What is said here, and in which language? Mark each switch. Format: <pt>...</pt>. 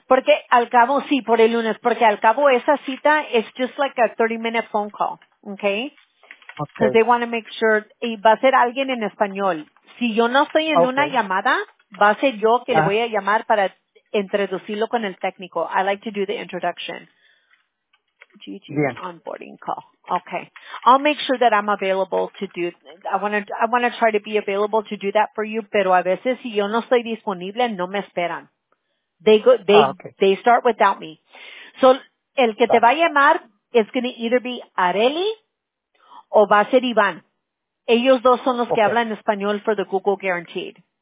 <es>Porque al cabo, sí, por el lunes. Porque al cabo esa cita es</es> <en>just like a 30-minute phone call.</en> <es>Okay. Okay.</es> <en>They want to make sure.</en> <es>Y va a ser alguien en español. Si yo no estoy en una llamada, va a ser yo que le voy a llamar para introducirlo con el técnico.</es> <en>I like to do the introduction.</en> <es>Bien.</es> <en>Onboarding call. Okay. I'll make sure that I'm available to do. I want to try to be available to do that for you.</en> <es>Pero a veces si yo no estoy disponible, no me esperan.</es> <en>They start without me. So</en> <es>el que te va a llamar</es> <en>is going to either be Areli</en> <es>o va a ser</es> <en>Iván.</en> <es>Ellos dos son los que hablan español for the Google Guaranteed.</es>